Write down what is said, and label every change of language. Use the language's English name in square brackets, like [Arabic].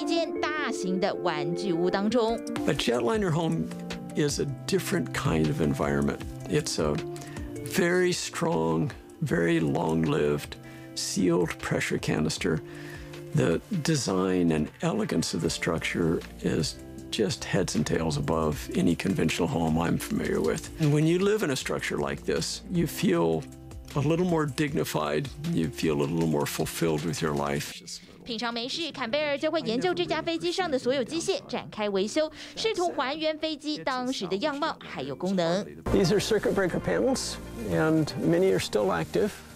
[Chinese] 飞机上的各种设备对大半辈子就在研究机械还有电路的坎贝尔来说，特别新鲜有趣，几乎就像是住进一间大型的玩具屋当中。 [English] A jetliner home is a different kind of environment. It's a very strong, very long-lived, sealed pressure canister. The design and elegance of the structure is just heads and tails above any conventional home I'm familiar with. And when you live in a structure like this, you feel a little more dignified, you feel a little more fulfilled with your life. [Chinese] 平常没事，坎贝尔就会研究这架飞机上的所有机械，展开维修，试图还原飞机当时的样貌还有功能。 [English] These are circuit breaker panels, and many are still active.